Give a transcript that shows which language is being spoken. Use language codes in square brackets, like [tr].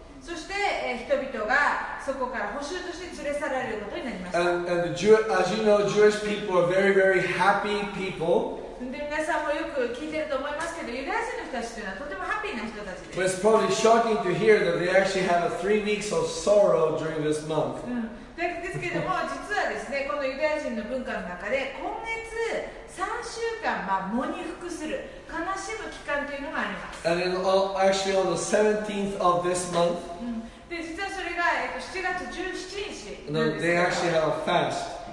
[ja] そして、人々がそこから捕囚として連れ去られることになりました。 [en] And the Jewish, as you know, Jewish people are very, very happy people. [ja] で、皆さんもよく聞いてると思いますけど、ユダヤ人の人たちというのはとてもハッピーな人たちです。 [en] But it's probably shocking to hear that they actually had a 3 weeks of sorrow during this month. [ja] ですけども、実はですね、このユダヤ人の文化の中で、今月3週間、喪に服する。 [en] And then, actually, on the 17th of this month, they actually have a fast.